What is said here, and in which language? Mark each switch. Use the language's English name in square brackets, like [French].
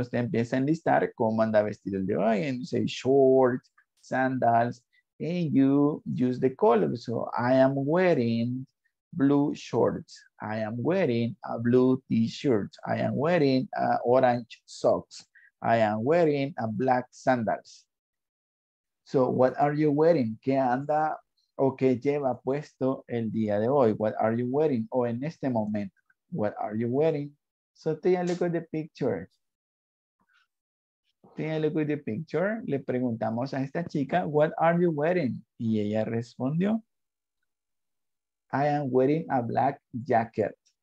[Spanish] Usted empieza a enlistar cómo anda vestido el de hoy. [English] And you say shorts, sandals, and you use the color. So, I am wearing blue shorts. I am wearing a blue t-shirt. I am wearing orange socks. I am wearing a black sandals. So what are you wearing? [Spanish] ¿Qué anda o qué lleva puesto el día de hoy? [English] What are you wearing? [Spanish] O en este momento, [English] what are you wearing? So take a look at the picture. Can you look at the picture? [Spanish] Le preguntamos a esta chica, [English] what are you wearing? [Spanish] Y ella respondió, [English] I am wearing a black jacket.